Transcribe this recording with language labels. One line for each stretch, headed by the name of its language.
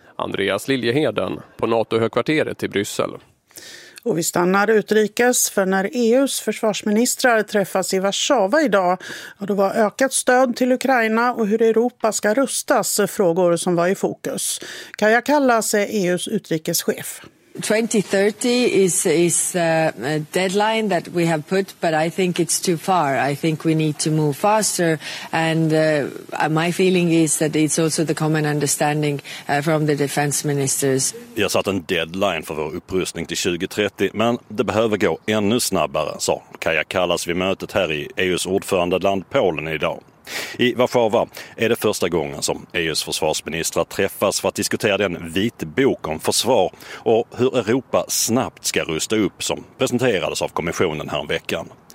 Swedish: Andreas Liljeheden på NATO-högkvarteret i Bryssel. Och vi stannar utrikes, för när EUs försvarsministrar träffas i Warszawa idag, då var ökat stöd till Ukraina och hur Europa ska rustas frågor som var i fokus. Kaja Kallas är EUs utrikeschef.
English: 2030 is a deadline that we have put, but I think it's too far. I think we need to move faster. And my feeling is that it's also the common understanding from the defense ministers.
Swedish: Vi har satt en deadline för vår upprustning till 2030, men det behöver gå ännu snabbare, sa Kaja Kallas vid mötet här i EUs ordförandeland Polen idag. I Warszawa är det första gången som EUs försvarsministrar träffas för att diskutera den vitbok om försvar och hur Europa snabbt ska rusta upp som presenterades av kommissionen här veckan.